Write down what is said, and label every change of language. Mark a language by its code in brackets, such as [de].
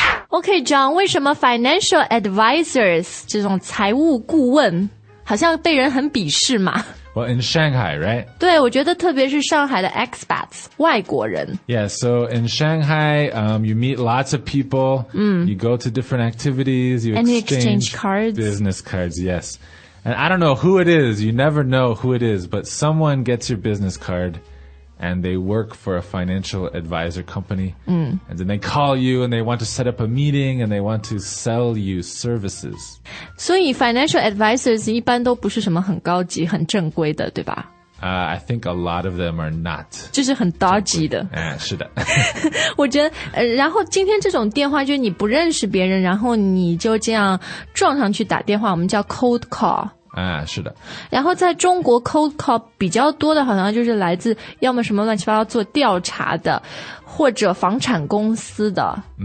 [zh] OK, John, 为什么 financial advisors, 这种财务顾问好像被人很鄙视嘛 [en] Well, in Shanghai, right? [zh] 对，我觉得特别是上海的 expats, 外国人。 [en] Yeah, so in Shanghai, you meet lots of people, you go to different activities, you exchange cards. Business cards, yes. And I don't know who it is, you never know who it is, but someone gets your business card. And they work for a financial advisor company. And then they call you and they want to set up a meeting and they want to sell you services. [zh] So financial advisors 一般都不是什么很高级很正规的对吧、 [en] I think a lot of them are not. [zh] 就是很 dodgy 的。是的。我觉得然后今天这种电话就是你不认识别人然后你就这样撞上去打电话我们叫 cold call。是的。然后在中国 cold call 比较多的好像就是来自要么什么乱七八糟做调查的或者房产公司的。